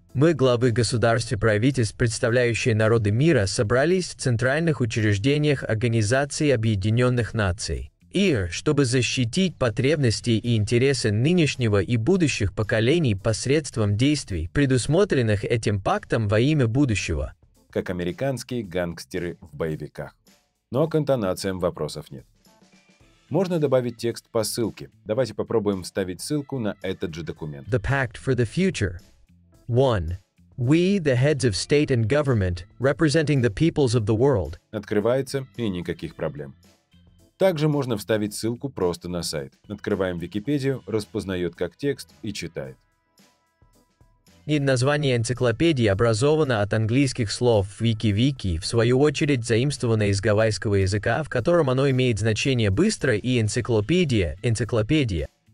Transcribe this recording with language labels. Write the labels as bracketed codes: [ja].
[ru] Мы, главы государств и правительств, представляющие народы мира, собрались в центральных учреждениях Организации Объединенных Наций, ИР, чтобы защитить потребности и интересы нынешнего и будущих поколений посредством действий, предусмотренных этим пактом во имя будущего. Как американские гангстеры в боевиках. Но к интонациям вопросов нет. Можно добавить текст по ссылке. Давайте попробуем вставить ссылку на этот же документ. [en] The Pact for the Future. 1. We, the heads of state and government, representing the peoples of the world. [ru] Открывается, и никаких проблем. Также можно вставить ссылку просто на сайт. Открываем Википедию, распознает как текст и читает. И название энциклопедии образовано от английских слов «вики-вики», в свою очередь заимствовано из гавайского языка, в котором оно имеет значение «быстро» и «энциклопедия» — «энциклопедия».